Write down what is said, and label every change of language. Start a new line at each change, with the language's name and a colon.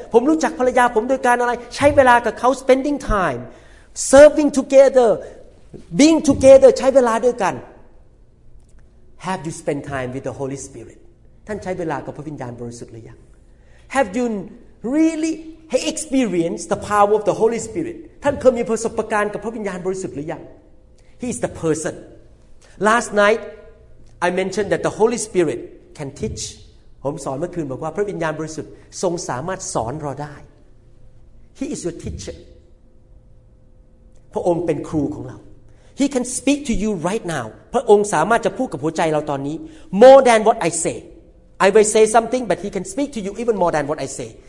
Thai: ผมรู้จักภรรยาผมโดยการอะไรใช้เวลากับเขา
English: spending time, serving together, being together,
Thai: ใช้เวลาด้วยกัน
English: Have you spent time with the Holy Spirit?
Thai: ท่านใช้เวลากับพระวิญญาณบริสุทธิ์หรือยัง
English: Have you really experienced the power of the Holy Spirit?
Thai: ท่านเคยมีประสบการณ์กับพระวิญญาณบริสุทธิ์หรือยัง
English: He is the person. Last night I mentioned that the Holy Spirit can teach.
Thai: ผมสอนเมื่อคืนบอกว่าพระวิญญาณบริสุทธิ์ทรงสามารถสอนเราได้
English: He is your teacher.
Thai: พระองค์เป็นครูของเรา
English: He can speak to you right now.
Thai: พระองค์สามารถจะพูดกับหัวใจเราตอนนี้
English: More than what I say. I will say something, but he can speak to you even more than what I say.